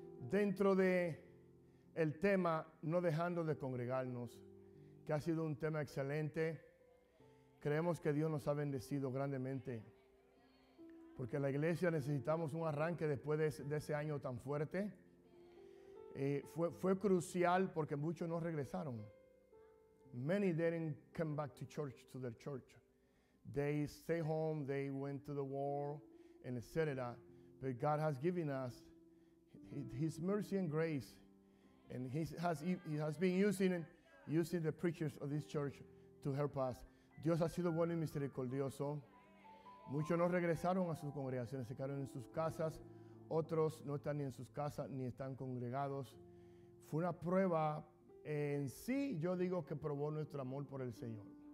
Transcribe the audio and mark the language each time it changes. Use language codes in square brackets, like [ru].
[es] Dentro de el tema, no dejando de congregarnos, que ha sido un tema excelente, creemos que Dios nos ha bendecido grandemente, porque la iglesia necesitamos un arranque después de ese año tan fuerte. Fue crucial porque muchos no regresaron. [en] Many didn't come back to church, to their church. They stay home, they went to the war, and etc. But God has given us His mercy and grace, and He has been using the preachers of this church to help us. [es] Dios ha sido bueno y misericordioso. Muchos no regresaron a sus congregaciones, se quedaron en sus casas. Otros no están ni en sus casas ni están congregados. Fue una prueba en sí, yo digo, que probó nuestro amor por el Señor.